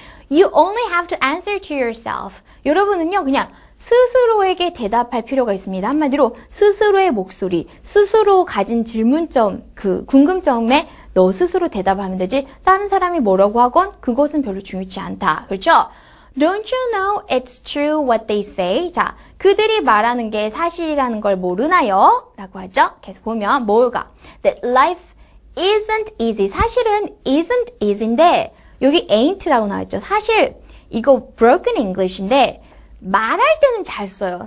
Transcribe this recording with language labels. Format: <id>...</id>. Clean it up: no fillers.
<en>You only have to answer to yourself.</en> <ko>여러분은요, 그냥 스스로에게 대답할 필요가 있습니다. 한마디로 스스로의 목소리, 스스로 가진 질문점, 그 궁금점에 너 스스로 대답하면 되지. 다른 사람이 뭐라고 하건 그것은 별로 중요치 않다. 그렇죠?</ko> <en>Don't you know it's true what they say?</en> <ko>자, 그들이 말하는 게 사실이라는 걸 모르나요? 라고 하죠. 계속 보면 뭐가?</ko> <en>That life isn't easy.</en> <ko>사실은 isn't easy인데 여기 ain't라고 나왔죠. 사실 이거 broken English인데 말할 때는 잘 써요.</ko>